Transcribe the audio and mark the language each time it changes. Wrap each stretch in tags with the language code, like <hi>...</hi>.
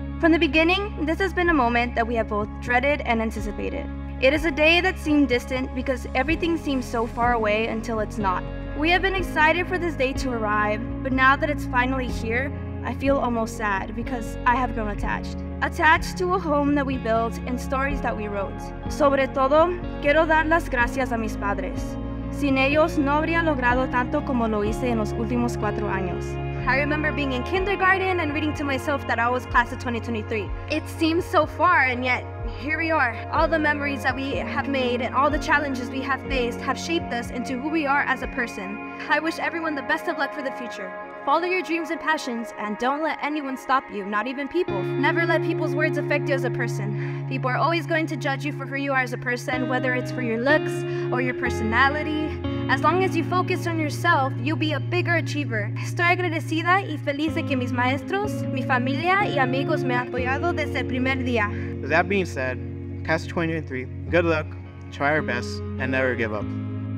<en>From the beginning, this has been a moment that we have both dreaded and anticipated. It is a day that seemed distant because everything seems so far away until it's not. We have been excited for this day to arrive, but now that it's finally here, I feel almost sad because I have grown attached. Attached to a home that we built and stories that we wrote.</en> <es>Sobre todo, quiero dar las gracias a mis padres. Sin ellos, no habría logrado tanto como lo hice en los últimos 4 años.</es> <en>I remember being in kindergarten and reading to myself that I was class of 2023. It seems so far, and yet here we are. All the memories that we have made and all the challenges we have faced have shaped us into who we are as a person. I wish everyone the best of luck for the future. Follow your dreams and passions, and don't let anyone stop you, not even people. Never let people's words affect you as a person. People are always going to judge you for who you are as a person, whether it's for your looks or your personality. As long as you focus on yourself, you'll be a bigger achiever.</en> <es>Estoy agradecida y feliz de que mis maestros, mi familia y amigos me han apoyado desde el primer día.</es> <en>That being said, class of 2023, good luck, try our best, and never give up.</en>